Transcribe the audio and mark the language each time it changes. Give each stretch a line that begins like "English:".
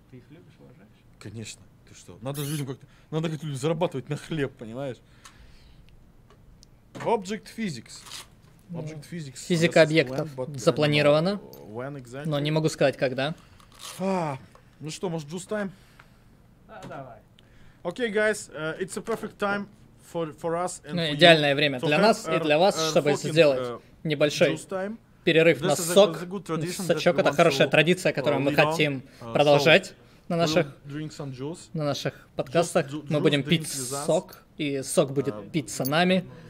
Russian: Ты их любишь, уважаешь? Конечно. Что? Надо же людям как-то. Надо как-то людям зарабатывать на хлеб, понимаешь?
English: Object physics. Object physics.
Russian: Физика объектов запланирована. Но не могу сказать, когда. А, ну что, может,
English: juice time?
Russian: Давай.
English: Okay, guys, it's a perfect time for us and for you.
Russian: Идеальное время для нас и для вас, чтобы сделать небольшой перерыв на сок. Сачок — это хорошая традиция, которую мы хотим продолжать. На наших подкастах мы будем пить сок, и сок будет питься нами.